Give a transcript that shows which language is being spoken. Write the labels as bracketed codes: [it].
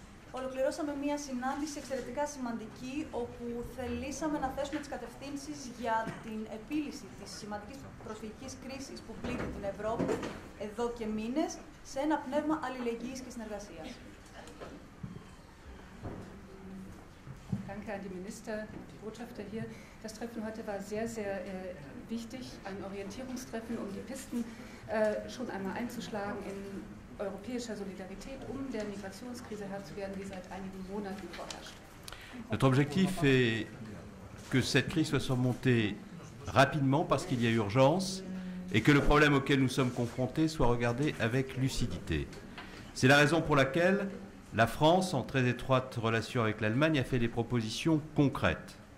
[el] Ολοκληρώσαμε μία συνάντηση εξαιρετικά σημαντική, όπου θελήσαμε να θέσουμε τις κατευθύνσεις για την επίλυση της σημαντικής προσφυγικής κρίσης που πλήττει την Ευρώπη εδώ και μήνες, σε ένα πνεύμα αλληλεγγύης και συνεργασίας. [de] Danke an die Minister, die Botschafter hier. Das Treffen heute war sehr, sehr wichtig, ein Orientierungstreffen, um die Pisten schon einmal einzuschlagen in europäischer Solidarität, um der Migrationskrise Herr zu werden, die seit einigen Monaten vorherrscht. [fr] Notre objectif est que cette crise soit surmontée rapidement parce qu'il y a urgence et que le problème auquel nous sommes confrontés soit regardé avec lucidité. C'est la raison pour laquelle la France, en très étroite relation avec l'Allemagne, a fait des propositions concrètes.